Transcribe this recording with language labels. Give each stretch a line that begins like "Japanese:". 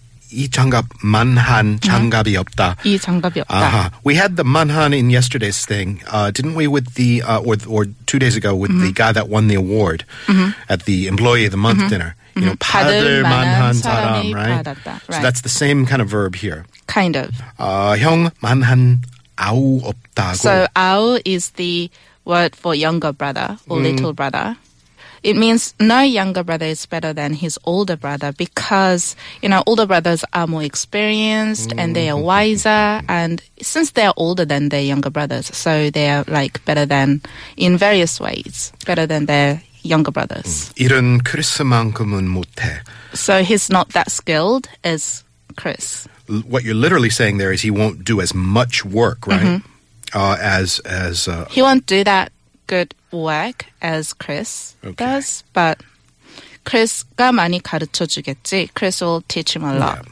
Korean: 이 장갑 만한 장갑이 없다. 이 장갑이 없다. Uh-huh.
English: We had the 만한 in yesterday's thing, didn't we, with the, or 2 days ago, with mm-hmm. the guy that won the award mm-hmm. at the Employee of the Month mm-hmm. dinner. You know,
Korean: 받을 만한 사람이
English: right?
Korean: 받았다.
English: Right. So that's the same kind of verb here. Kind of.
Korean: 형 만한 아우 없다고.
English: So 아우 is the word for younger brother or little brother. It means no younger brother is better than his older brother because, you know, older brothers are more experienced and they are wiser. And since they are older than their younger brothers, so they are like better than, in various ways, better than their younger brothers.
Korean: 이런 크리스만큼은 못해.
English: So he's not that skilled as Chris. what you're literally saying there is he won't do as much work, right? Mm-hmm. He won't do that good work as Chris does, but Chris가
Korean: 많이 가르쳐 주겠지.
English: Chris will teach him a lot.